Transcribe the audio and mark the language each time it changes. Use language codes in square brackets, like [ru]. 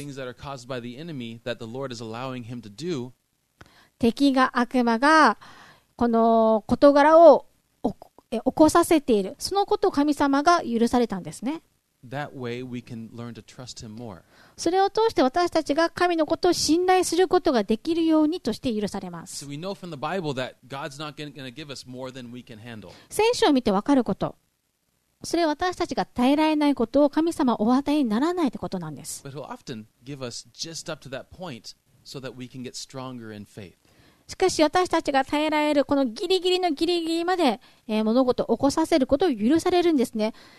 [en] Things that are caused by the enemy that the Lord is allowing him to do. [ja] 敵が、悪魔がこの事柄を起こさせている、そのことを神様が許されたんですね。 [en] That way we can learn to trust him more. [ja] それを通して私たちが神のことを信頼することができるようにとして許されます。聖書を見て分かること、それは私たちが耐えられないことを神様お与えにならないということなんです。しかし私たちが耐えられるこのギリギリのギリギリまで物事を起こさせることを許されるんですね。